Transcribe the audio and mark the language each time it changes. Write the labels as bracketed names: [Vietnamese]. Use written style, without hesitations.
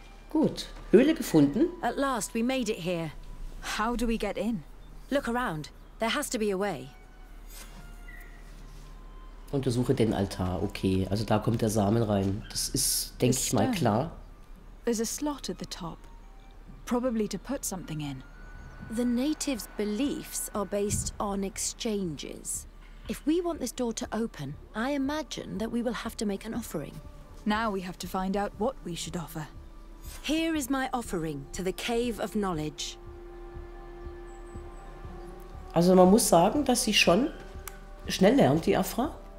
[German] Gut. Höhle gefunden. [English] At last, we made it here. How do we get in? Look around. There has to be a way. [German] Untersuche den Altar. Okay, also da kommt der Samen rein. Das ist, denke ich mal, klar. [English] There's a slot at the top. Probably to put something in. The natives' beliefs are based on exchanges. If we want this door to open, I imagine that we will have to make an offering. Now we have to find out what we should offer. Here is my offering to the Cave of Knowledge. [German] Also man muss sagen, dass sie schon schnell lernt, die Afra.